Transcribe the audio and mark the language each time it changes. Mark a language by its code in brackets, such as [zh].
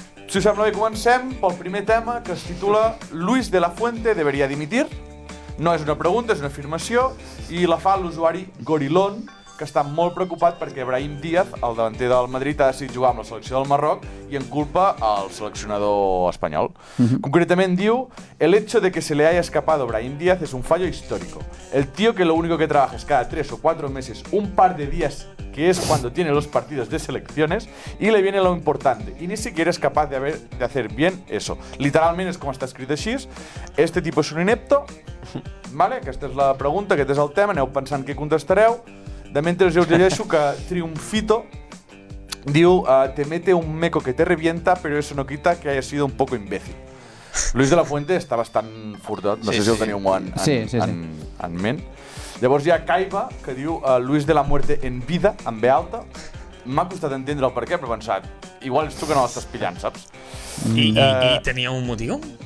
[ca] Si us sembla bé, comencem pel primer tema, que es titula Luis de la Fuente debería dimitir. No és una pregunta, és una afirmació, i la fa l'usuari Gorilón, que està molt preocupat perquè Brahim Díaz, el davanter del Madrid, ha decidit jugar amb la selecció del Marroc i en culpa al seleccionador espanyol. Concretament diu: [es] el hecho de que se le haya escapado Brahim Díaz es un fallo histórico. El tío que lo único que trabaja es cada 3 o 4 meses un par de días, que es cuando tiene los partidos de selecciones, y le viene lo importante, y ni siquiera es capaz de hacer bien eso. Literalmente es como está escrito así: este tipo es un inepto. [ca] Vale, aquesta és la pregunta, aquest és el tema, aneu pensant què contestareu. De mentre jo us llegeixo que Triunfito diu: [es] te mete un meco que te revienta, pero eso no quita que haya sido un poco imbécil. [ca] Luis de la Fuente està bastant furtot, no sí, sé si sí. El teniu en ment. Llavors hi ha Caiba, que diu: Luis de la Muerte en vida, en B alta. M'ha costat entendre el perquè, però he pensat, igual és tu que no l'estàs pillant, saps? I tenia un motiu?